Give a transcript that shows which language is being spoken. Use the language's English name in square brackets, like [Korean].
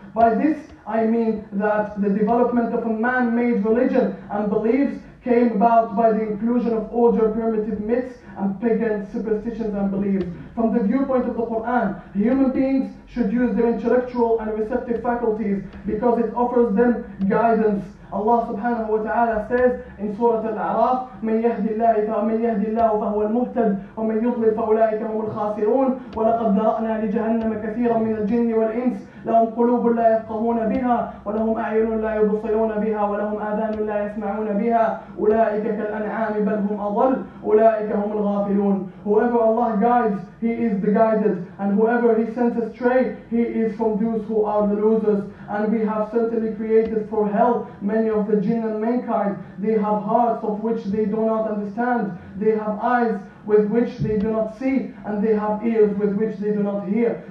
[English] By this, I mean that the development of a man-made religion and beliefs came about by the inclusion of older primitive myths and pagan superstitions and beliefs. From the viewpoint of the Quran, human beings should use their intellectual and receptive faculties because it offers them guidance. Allah subhanahu wa ta'ala says in Surah Al-A'raf, [Arabic] مَنْ يَهْدِ اللَّهِ فَمَنْ يَهْدِ اللَّهُ فَهُوَ الْمُهْتَدِ وَمَنْ يُضْلِلْ فَأُولَٰئِكَ هُمُ الْخَاسِرُونَ وَلَقَدْ ذَرَأْنَا لِجَهَنَّمَ كَثِيرًا مِنَ الْجِنِّ وَالْإِنسِ لهم قلوب لا يفقهون بها ولهم أعين لا يبصرون بها ولهم آذان لا يسمعون بها أولئك كالأنعام بل هم أضل أولئك هم الغافلون. [English] Whoever Allah guides, he is the guided, and whoever he sends astray, he is from those who are the losers. And we have certainly created for hell many of the jinn and mankind. They have hearts of which they do not understand, they have eyes with which they do not see, and they have ears with which they do not hear.